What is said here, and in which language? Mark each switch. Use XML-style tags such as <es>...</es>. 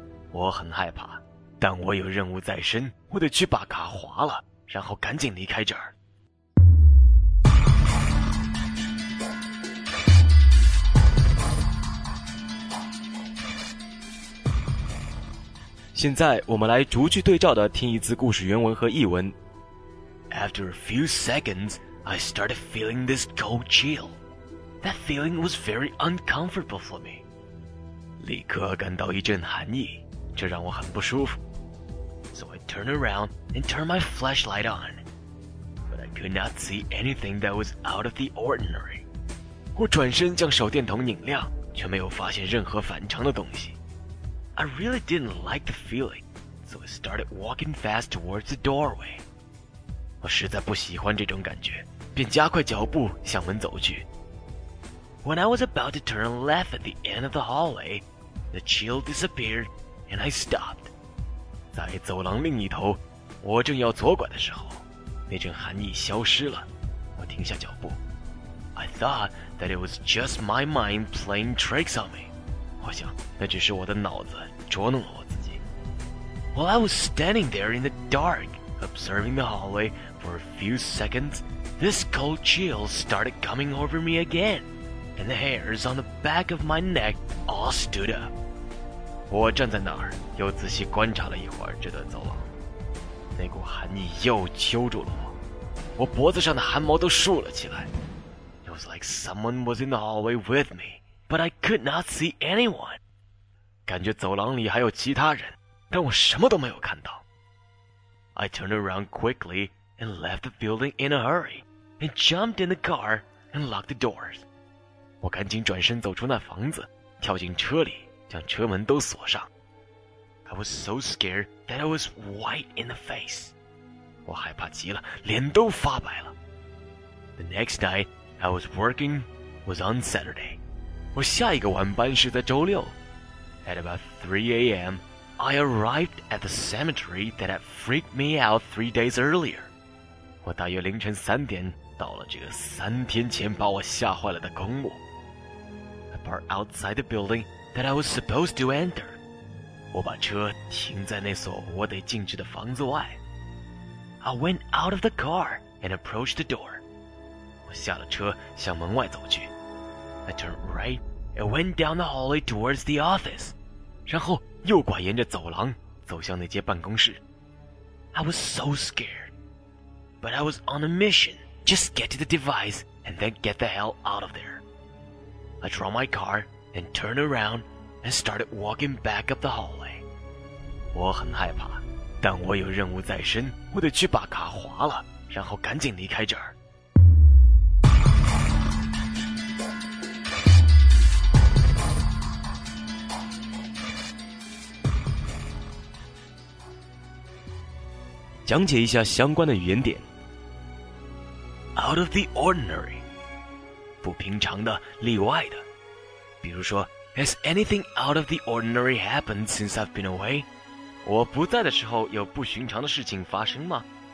<zh>我很害怕，但我有任务在身，我得去把卡划了，然后赶紧离开这儿。现在我们来逐句对照的听一次故事原文和译文。</zh> <en>After a few seconds, I started feeling this cold chill. That feeling was very uncomfortable for me.</en> <zh>立刻感到一阵寒意，这让我很不舒服。</zh> <en>So I turned around and turned my flashlight on. But I could not see anything that was out of the ordinary.</en> <zh>我转身将手电筒拧亮，却没有发现任何反常的东西。</zh> <en>I really didn't like the feeling, so I started walking fast towards the doorway.</en> <zh>我实在不喜欢这种感觉，便加快脚步向门走去。</zh> <en>When I was about to turn left at the end of the hallway, the chill disappeared and I stopped.</en> <zh>在走廊另一头，我正要左拐的时候，那阵寒意消失了，我停下脚步。</zh> <en>I thought that it was just my mind playing tricks on me.</en> <zh>我想那只是我的脑子捉弄了我自己。</zh> <en>While I was standing there in the dark, observing the hallway for a few seconds, this cold chill started coming over me again, and the hairs on the back of my neck all stood up.</en> <zh>我站在那儿，又仔细观察了一会儿这段走廊，那股寒意又揪住了我，我脖子上的汗毛都竖了起来。</zh> <en>It was like someone was in the hallway with me, but I could not see anyone.</en> <zh>感觉走廊里还有其他人，但我什么都没有看到。</zh> <en>I turned around quickly and left the building in a hurry and jumped in the car and locked the doors.</en> <zh>我赶紧转身走出那房子，跳进车里，将车门都锁上。</zh> <en>I was so scared that I was white in the face.</en> <zh>我害怕极了，脸都发白了。</zh> <en>The next night I was working was on Saturday.</en> <zh>我下一个晚班是在周六。</zh> <en>At about 3 a.m., I arrived at the cemetery that had freaked me out 3 days earlier.</en> <zh>我大约凌晨三点到了这个三天前把我吓坏了的公墓。</zh> <en>I parked outside the building that I was supposed to enter.</en> <zh>我把车停在那所我得进去的房子外。</zh> <en>I went out of the car and approached the door.</en> <zh>我下了车向门外走去。</zh> <en>I turned right and went down the hallway towards the office.</en> <zh>然后右拐沿着走廊走向那间办公室。</zh> <en>I was so scared. But I was on a mission. Just get to the device and then get the hell out of there. I drove my car and turned aroundand started walking back up the hallway.</en> <zh>我很害怕，但我有任务在身，我得去把卡划了，然后赶紧离开这儿。讲解一下相关的语言点。</zh> <en>Out of the ordinary，</en> <zh>不平常的，例外的，比如说</zh> <en>Has anything out of the ordinary happened since I've been away?</en> <zh>我不在的时候有不寻常的事情发生吗？</zh>